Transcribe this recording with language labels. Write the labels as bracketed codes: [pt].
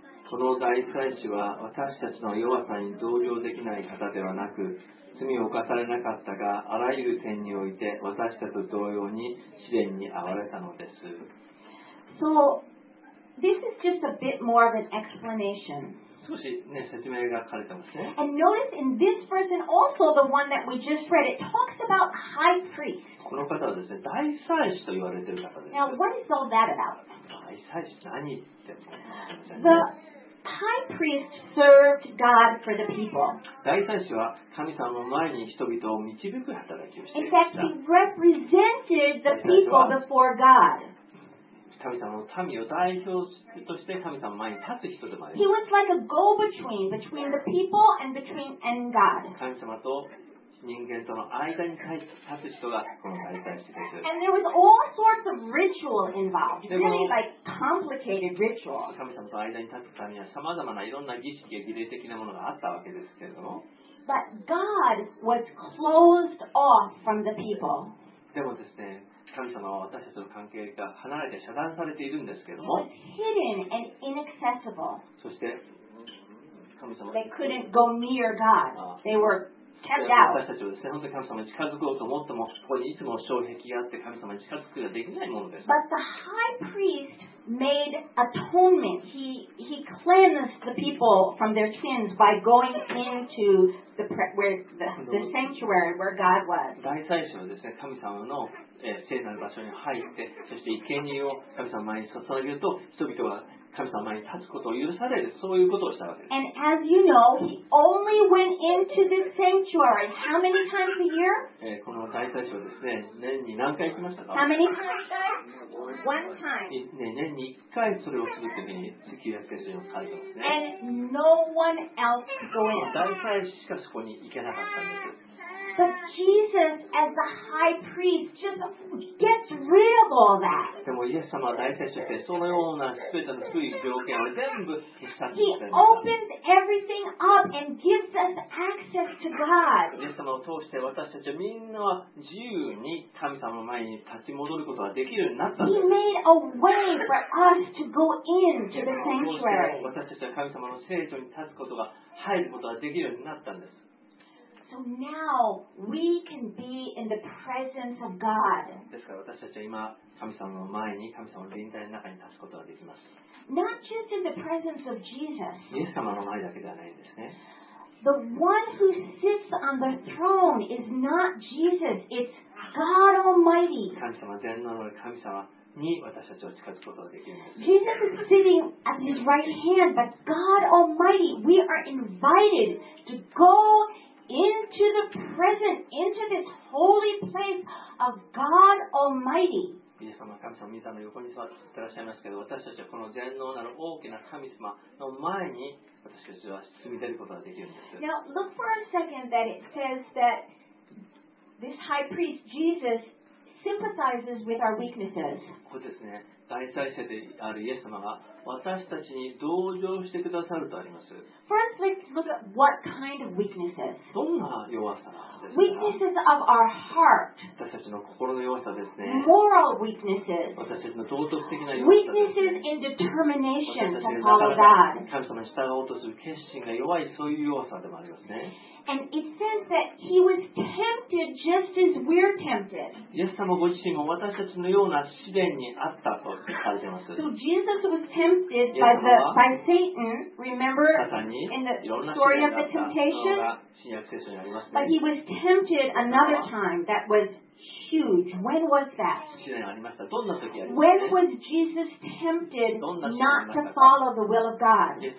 [ja] この大祭司は私たちの弱さに同情できない方ではなく、罪を犯されなかったが、あらゆる点において私たちと同様に試練に遭われたのです。 [en] So, this is just a bit more of an explanation. [ja] 少し、ね、説明が書かれてますね。 [en] And notice in this verse and also the one that we just read, it talks about high priest. [ja] この方はですね、大祭司と言われている方です。 [en] Now, what is all that about? [ja] 大祭司何って。 [en] The high priest served God for the people. [ja] 大祭司は神様の前に人々を導く働きをしていました。 [en] In fact, he represented the people before God. [ja] 神様の民を代表として神様の前に立つ人でもあります。 [en] He was like a go-between between the people and between and God. [ja] 神様と人間との間に立つ人がこの大祭司です。 [en] And there was all sorts of ritual involved, really like complicated ritual. [ja] 神様と間に立つためには様々ないろんな儀式や儀礼的なものがあったわけですけれども。 [en] But God was closed off from the people. [ja] でもですね、神様は私たちの関係が離れて遮断されているんですけれども、 [en] hidden and inaccessible. [ja] そして神様、 [en] they couldn't go near God. They were kept out. [ja] 私たちはですね、本当に神様に近づこうと思っても、ここにいつも障壁があって神様に近づくができないものです。 [en] But the high priest made atonement. He cleansed the people from their sins by going into the sanctuary where God was. [ja] 大祭司はですね、神様の聖なる場所に入って、そして生贄を神様前に捧げると、人々は神様前に立つことを許される、そういうことをしたわけです。 [en] And as you know, he only went into this sanctuary how many times a year? [ja] この大祭司はですね、年に何回行きましたか? [en] How many times? One time. [ja] 年に1回それをするときに、旧約聖書に書いてますね。 [en] And no one else could go in. [ja] 大祭司しかそこに行けなかったんです。 [en] But Jesus, as the high priest, just gets rid of all that. [ja] でもイエス様は大祭司としてそのようなすべての罪条件を全部消したんです。 [en] He opens everything up and gives us access to God. [ja] イエス様を通して私たちはみんな自由に神様の前に立ち戻ることができるようになったんです。 [en] He made a way for us to go into the sanctuary. [ja] 私たちは神様の聖所に立つことが入ることができるようになったんです。 [en] So now we can be in the presence of God. [ja] ですから私たちは今神様の前に神様の臨在の中に立つことができます。 [en] Not just in the presence of Jesus. [ja] イエス様の前だけではないんですね。 [en] The one who sits on the throne is not Jesus. It's God Almighty. [ja] 神様全能の神様に私たちは近づくことができるんです。 [en] Jesus is sitting at his right hand, but God Almighty, we are invited to go. Into the present, into this holy place of God Almighty. [ja] イエス様は神様御座の横に座っていらっしゃいますけど、私たちはこの全能なる大きな神様の前に私たちは進み出ることができるんです。 [en] Now look for a second that it says that this high priest Jesus sympathizes with our weaknesses. [ja] ここですね、大祭司であるイエス様が私たちに同情してくださるとあります。 [en] First, let's look at what kind of weaknesses. [ja] どんな弱さですか? [en] Weaknesses of our heart. [ja] 私たちの心の弱さですね。 [en] Moral weaknesses. [ja] 私たちの道徳的な弱さですね。 [en] Weaknesses in determination to follow God. [ja] 私たちの神様に従おうとする決心が弱い、そういう弱さでもありますね。 [en] And it says that he was tempted just as we're tempted. [ja] イエス様ご自身も私たちのような試練にあったと書かれています。 [en] So Jesus was tempted by Satan, remember, in the story of the temptation? But he was tempted another time that was huge. When was that? When was Jesus tempted not to follow the will of God?